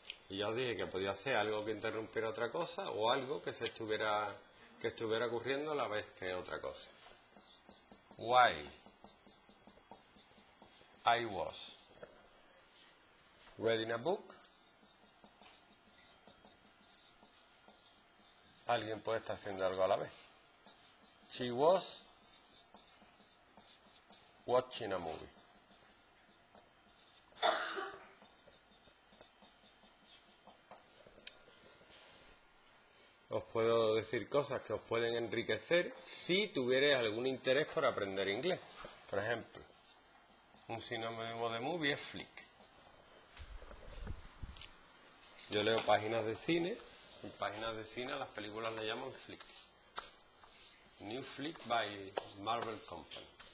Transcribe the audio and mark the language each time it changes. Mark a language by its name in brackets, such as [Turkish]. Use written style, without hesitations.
[Spanish] Y ya os dije que podía ser algo que interrumpiera otra cosa o algo que se estuviera que estuviera ocurriendo a la vez que otra cosa. [English] Why? I was reading a book. [Spanish] Alguien puede estar haciendo algo a la vez. [English] She was watching a movie. [Spanish] Os puedo decir cosas que os pueden enriquecer si tuvierais algún interés por aprender inglés. Por ejemplo, un sinónimo de movie es flick. Yo leo páginas de cine, en páginas de cine las películas le llaman flick. [English] New flick by Marvel Company.